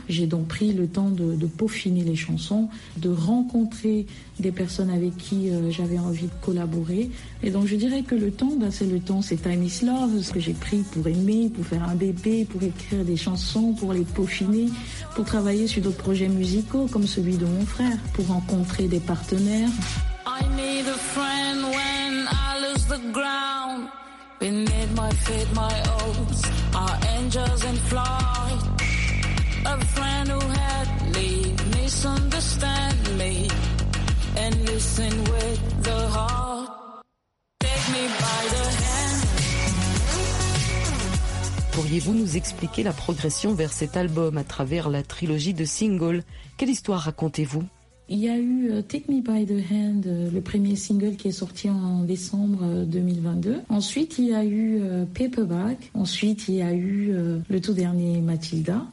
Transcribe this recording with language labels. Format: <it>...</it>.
<fr>J'ai donc pris le temps de peaufiner les chansons, de rencontrer des personnes avec qui j'avais envie de collaborer. Et donc, je dirais que le temps, ben, c'est le temps, c'est Time is Love, ce que j'ai pris pour aimer, pour faire un bébé, pour écrire des chansons, pour les peaufiner, pour travailler sur d'autres projets musicaux comme celui de mon frère, pour rencontrer des partenaires.</fr> <en>I need a friend when I lose the ground. Beneath my feet, my hopes are angels in flight. A friend who had me misunderstand me and listen with the heart. Take me by the hand.</en> <fr>Pourriez-vous nous expliquer la progression vers cet album à travers la trilogie de singles? Quelle histoire racontez-vous? Il y a eu Take Me By The Hand, le premier single qui est sorti en décembre 2022. Ensuite, il y a eu Paperback. Ensuite, il y a eu le tout dernier Mathilda.</fr>